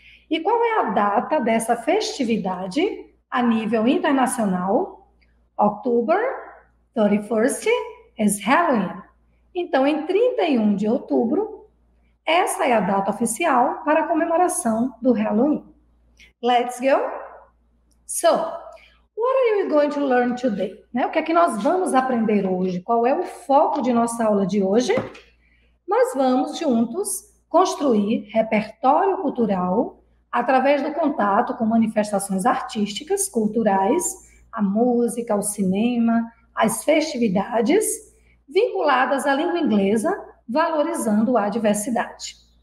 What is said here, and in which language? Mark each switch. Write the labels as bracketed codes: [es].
[pt] E qual é a data dessa festividade? A nível internacional, [en] October 31st is Halloween. [pt] Então, em 31 de outubro, essa é a data oficial para a comemoração do Halloween. [en] Let's go! So, what are you going to learn today? [pt] Né? O que é que nós vamos aprender hoje? Qual é o foco de nossa aula de hoje? Nós vamos juntos construir repertório cultural através do contato com manifestações artísticas, culturais, a música, o cinema, as festividades vinculadas à língua inglesa, valorizando a diversidade.